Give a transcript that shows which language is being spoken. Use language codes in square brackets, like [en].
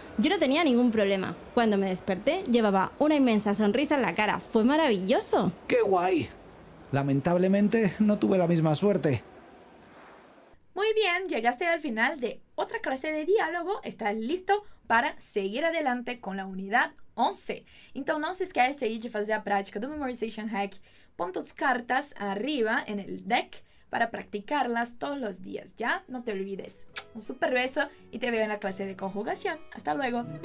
[es] Yo no tenía ningún problema. Cuando me desperté, llevaba una inmensa sonrisa en la cara. ¡Fue maravilloso! ¡Qué guay! Lamentablemente, no tuve la misma suerte. Muy bien, llegaste al final de otra clase de diálogo. ¿Estás listo para seguir adelante con la unidad 11? [pt] Então não se esquece aí de fazer a prática do Memorization Hack. [es] Pon tus cartas arriba en el deck para practicarlas todos los días. Ya, no te olvides. Un super beso y te veo en la clase de conjugación. Hasta luego.